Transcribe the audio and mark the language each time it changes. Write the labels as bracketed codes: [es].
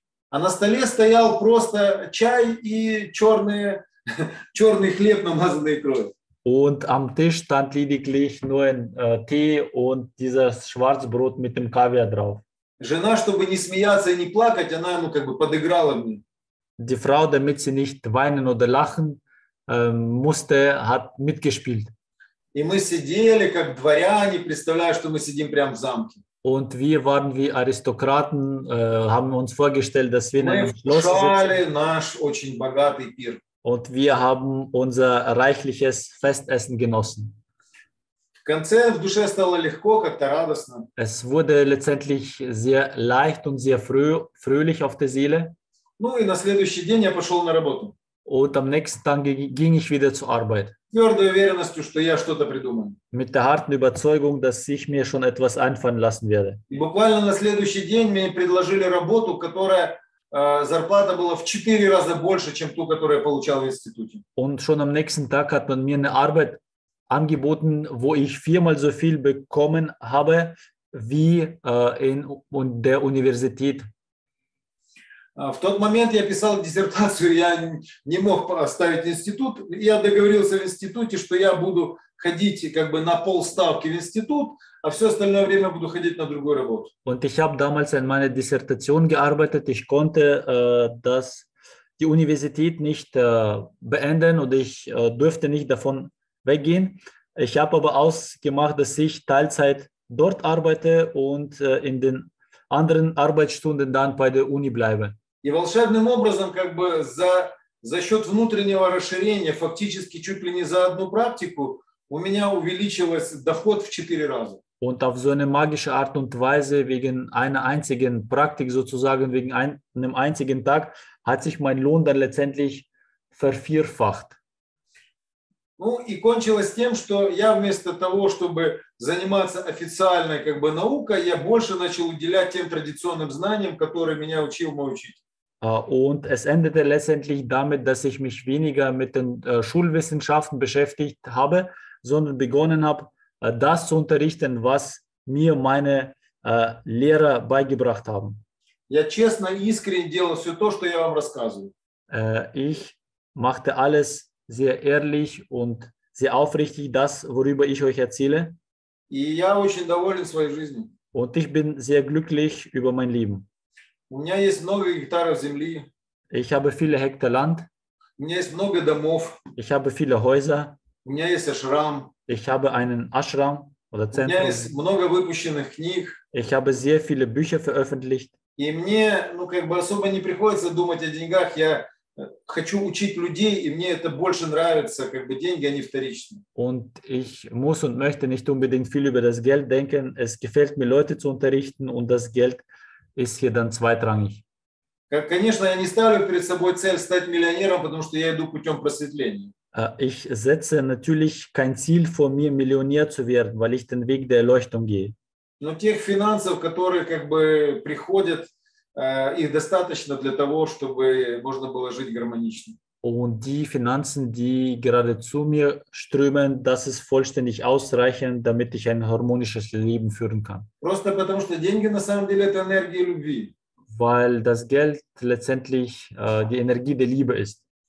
[ru] А на столе стоял просто чай и черный хлеб, намазанный икрой. [de] Und am Tisch stand lediglich nur ein Tee und dieses Schwarzbrot mit dem Kaviar drauf. [ru] Жена, чтобы не смеяться и не плакать, она ему как бы подыграла мне. [de] Die Frau, damit sie nicht weinen oder lachen musste, hat mitgespielt. [ru] И мы сидели, как дворяне, представляя, что мы сидим прямо в замке. [de] Und wir waren wie Aristokraten, haben uns vorgestellt, dass wir [ru] Мы [de] in einem Schloss sitzen. [ru] Наш очень богатый пир. [de] Und wir haben unser reichliches Festessen genossen. [ru] В конце в душе стало легко, как-то радостно. [de] Es wurde letztendlich sehr leicht und sehr fröhlich auf der Seele. [ru] Ну и на следующий день я пошел на работу. [de] Und am nächsten Tag ging ich wieder zur Arbeit. [ru] Твердой уверенностью, что я что-то придумаю. [de] Mit der harten Überzeugung, dass ich mir schon etwas einfallen lassen werde. [ru] И буквально на следующий день мне предложили работу, которая зарплата была в 4 раза больше, чем ту, которую я получал в институте. [de] Und schon am nächsten Tag hat man mir eine Arbeit angeboten, wo ich 4-mal so viel bekommen habe, wie in der Universität. [ru] В тот момент я писал диссертацию, я не мог оставить институт. Я договорился в институте, что я буду ходить как бы на полставки в институт, а все остальное время буду ходить на другую работу. [de] Und ich habe damals an meiner Dissertation gearbeitet. Ich konnte das die Universität nicht beenden und ich durfte nicht davon weggehen. Ich habe aber ausgemacht, dass ich Teilzeit dort arbeite und in den anderen Arbeitsstunden dann bei der Uni bleibe. [ru] И волшебным образом, как бы за счет внутреннего расширения, фактически чуть ли не за одну практику, у меня увеличилось доход в 4 раза. [de] Und auf so eine magische Art und Weise, wegen einer einzigen Praktik sozusagen, wegen einem einzigen Tag, hat sich mein Lohn dann letztendlich vervierfacht. [ru] Ну и кончилось тем, что я вместо того, чтобы заниматься официальной как бы наукой, я больше начал уделять тем традиционным знаниям, которые меня учил мой учитель. [de] Und es endete letztendlich damit, dass ich mich weniger mit den Schulwissenschaften beschäftigt habe, sondern begonnen habe, das zu unterrichten, was mir meine Lehrer beigebracht haben. [ru] Я честно и искренне делал все то, что я вам рассказываю. [de] Ich machte alles sehr ehrlich und sehr aufrichtig das, worüber ich euch erzähle. [ru] И я очень доволен своей жизнью. [de] Und ich bin sehr glücklich über mein Leben. [ru] У меня есть много гектаров земли. [de] Ich habe viele Hektar Land. [ru] У меня есть много домов. [de] Ich habe viele Häuser. [ru] У меня есть ашрам. [de] Ich habe einen Ashram oder Zentrum. [ru] У меня есть много выпущенных книг. [de] Ich habe sehr viele Bücher veröffentlicht. [ru] И мне, ну, как бы особо не приходится думать о деньгах. Я хочу учить людей, и мне это больше нравится, как бы деньги, они вторичные. [de] Und ich muss und möchte nicht unbedingt viel über das Geld denken. Es gefällt mir, Leute zu unterrichten, und das Geld ist hier dann zweitrangig. [ru] Конечно, я не ставлю перед собой цель стать миллионером, потому что я иду путем просветления. [de] Ich setze natürlich kein Ziel vor mir, Millionär zu werden, weil ich den Weg der Erleuchtung gehe. [ru] Но тех финансов, которые как бы приходят, их достаточно для того, чтобы можно было жить гармонично. [de] Und die Finanzen, die gerade zu mir strömen, das ist vollständig ausreichend, damit ich ein harmonisches Leben führen kann. [ru] Просто потому, что деньги на самом деле это энергия любви. [de] Weil das Geld letztendlich die Energie der Liebe ist.